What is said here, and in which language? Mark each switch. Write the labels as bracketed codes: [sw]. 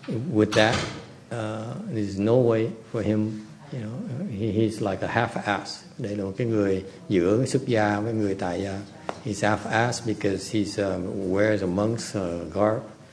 [en] With that, there's no way for him, he's like a half-ass. [vi] Đây là một cái người giữa xuất gia với người tại gia. [en] He's half-ass because he wears a monk's garb.